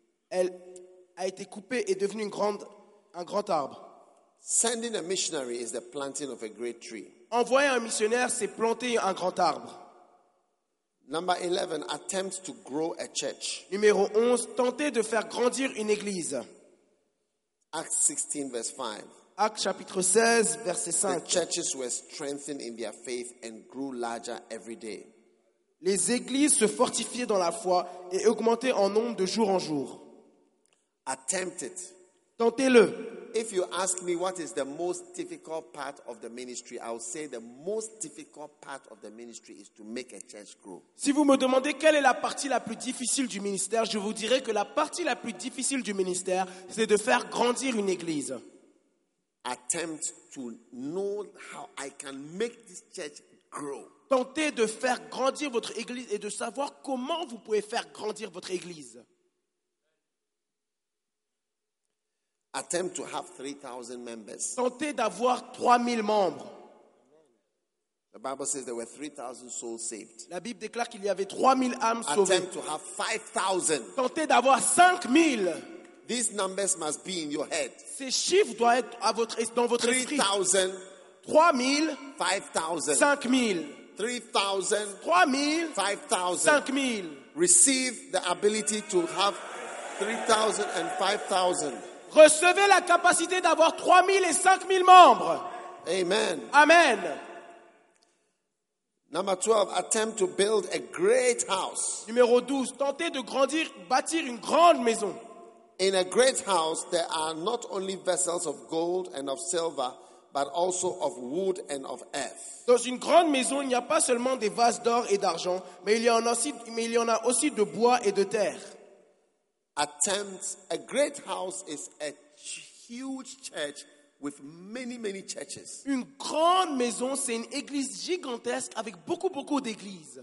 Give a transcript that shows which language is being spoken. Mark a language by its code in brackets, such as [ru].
[fr] Elle a été coupée et devenue un grand arbre. [en] Sending a missionary is the planting of a great tree. [fr] Envoyer un missionnaire, c'est planter un grand arbre. [en] Number 11, attempt to grow a church. [fr] Numéro 11, tenter de faire grandir une église. [en] Acts 16:5. [fr] Acts chapitre 16, verset 5. [en] The churches were strengthened in their faith and grew larger every day. [fr] Les églises se fortifiaient dans la foi et augmentaient en nombre de jour en jour. [en] Attempt it. [fr] Tentez-le. [en] If you ask me what is the most difficult part of the ministry, I would say the most difficult part of the ministry is to make a church grow. [fr] Si vous me demandez quelle est la partie la plus difficile du ministère, je vous dirai que la partie la plus difficile du ministère, c'est de faire grandir une église. [en] Attempt to know how I can make this church grow. [fr] Tentez de faire grandir votre église et de savoir comment vous pouvez faire grandir votre église. [en] Attempt to have 3,000 members. [fr] Tentez d'avoir 3,000 membres. [en] The Bible says there were 3,000 souls saved. [fr] La Bible déclare qu'il y avait 3,000 âmes sauvées. [en] Attempt to have 5,000. [fr] Tentez d'avoir 5,000. [en] These numbers must be in your head. [fr] Ces chiffres doivent être dans votre esprit. 3,000. 3,000. 5,000. 5,000. 3,000. 3,000. 5,000. 5,000. [en] Receive the ability to have 3,000 and 5,000. [fr] Recevez la capacité d'avoir 3,000 et 5,000 membres. Amen. Amen. [en] Number 12, attempt to build a great house. [fr] Numéro 12, tentez de grandir, bâtir une grande maison. [en] In a great house, there are not only vessels of gold and of silver, but also of wood and of earth. [fr] Dans une grande maison, il n'y a pas seulement des vases d'or et d'argent, mais il y en a aussi de bois et de terre. [en] Attempt a great house is a huge church with many, many churches. [fr] Une grande maison, c'est une église gigantesque avec beaucoup, beaucoup d'églises.